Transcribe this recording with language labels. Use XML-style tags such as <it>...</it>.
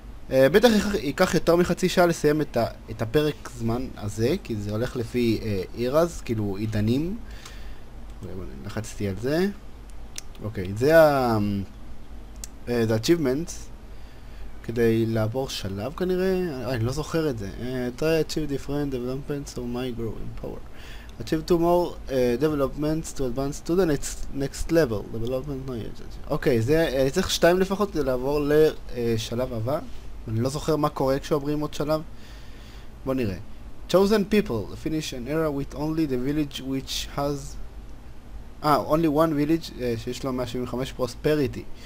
<he>בטח ייקח יותר מחצי שעה לסיים את הפרק זמן הזה, כי זה הולך לפי אירז, כאילו עידנים. לחצתי על זה. אוקיי, זה זה achievements, כדי לעבור שלב כנראה. אני לא זוכר את זה.</he> <en>Try achieve different developments or my growing power. Achieve two more developments to advance to the next level. Development knowledge.</en> <he>אוקיי, זה צריך שתיים לפחות כדי לעבור לשלב הבא. אני לא זוכר מה קורה כשעוברים עוד שלב. בוא נראה.</he> <en>Chosen people. Finish an era with only the village which has... only one village</en> <he>שיש לו</he> <en>175 prosperity.</en>